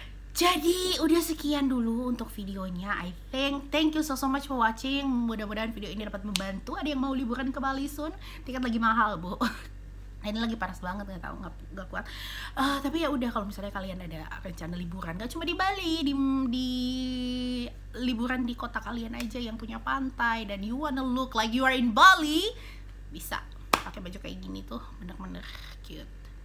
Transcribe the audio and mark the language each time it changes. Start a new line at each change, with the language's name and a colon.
Indonesian: Jadi udah sekian dulu untuk videonya.
English: I think thank you so much for watching.
Indonesian: Mudah-mudahan video ini dapat membantu. Ada yang mau liburan ke Bali soon? Tiket lagi mahal, Bu. Nah, ini lagi panas banget, nggak tahu, nggak kuat. Tapi ya udah, kalau misalnya kalian ada rencana liburan, nggak cuma di Bali, di liburan di kota kalian aja yang punya pantai, dan
English: you wanna look like you are in Bali,
Indonesian: bisa pakai baju kayak gini tuh, bener-bener cute.